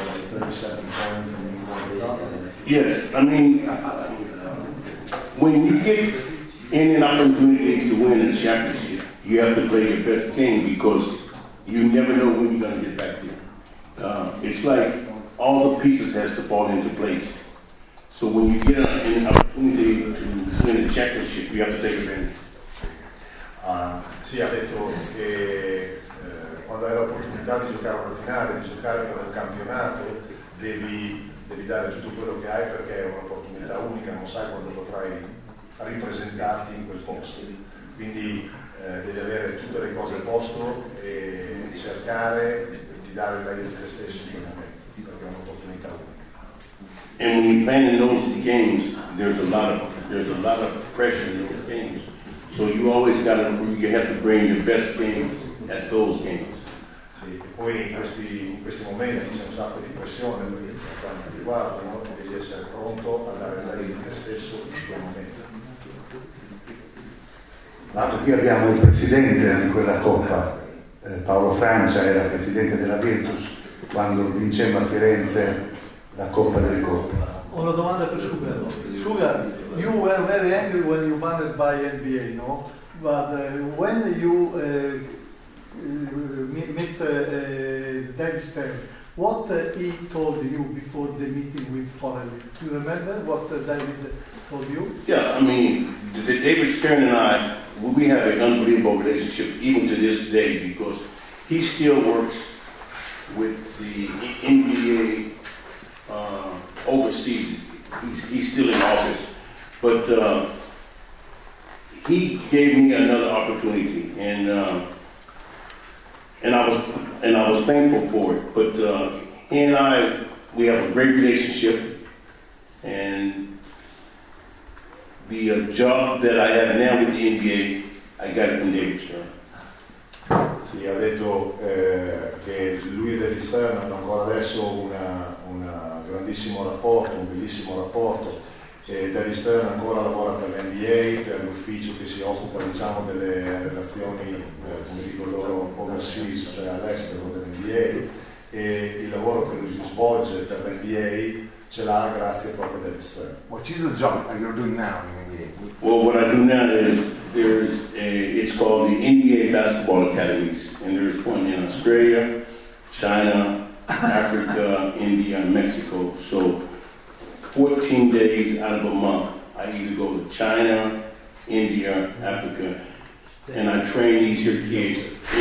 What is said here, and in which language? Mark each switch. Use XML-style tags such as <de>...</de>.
<en>Yes, I mean, when you get any opportunity to win a championship, you have to play your best game because you never know when you're going to get back there. It's like all the pieces has to fall into place. So when you get an opportunity to win a championship, you have to take advantage.</en> <it>Sì, ha detto che quando hai l'opportunità di giocare una finale, di giocare per un campionato, devi dare tutto quello che hai perché è un'opportunità unica, non sai quando potrai ripresentarti in quel posto. Quindi devi avere tutte le cose al posto e cercare di dare il meglio di te stesso in quel momento, perché è un'opportunità unica.</it> <en>E when you play in those games, there's a lot of pressure in those games. So you always gotta, you have to bring your best game at those games.</en> <it>Sì, e poi in questi momenti c'è un sacco di pressione per quanto riguarda, no? Devi essere pronto a dare la linea di te stesso in quel momento. Lato qui abbiamo il presidente di quella coppa, Paolo Francia era presidente della Virtus quando vincemmo a Firenze la Coppa delle Coppe. Ho una domanda per Sugar.</it> <en>Sugar, you were very angry when you banned by NBA, no? But when you met Dennis Stern, what he told you before the meeting with Connelly? Do you remember what David told you? Yeah, I mean, David Stern and I, we have an unbelievable relationship even to this day because he still works with the NBA overseas. He's still in office, but he gave me another opportunity, and I was thankful for it. But he and I, we have a great relationship, and the job that I have now with the NBA, I got it from David Stern.</en> <it>Sì, ha detto che lui e David Stern hanno ancora adesso un grandissimo rapporto, un bellissimo rapporto, David Stern ancora lavora per l'NBA, per l'ufficio che si occupa, diciamo, delle relazioni, come dico loro, overseas, cioè all'estero dell'NBA, e il lavoro che lui svolge per l'NBA ce l'ha grazie proprio a David Stern.</it> <en>What is the job that you're doing now in NBA? Well, what I do now is, it's called the NBA Basketball Academies, and there's one in Australia, China, Africa, India, and Mexico. So 14 days out of a month, I either go to China, India, Africa, and I train these here kids.</en>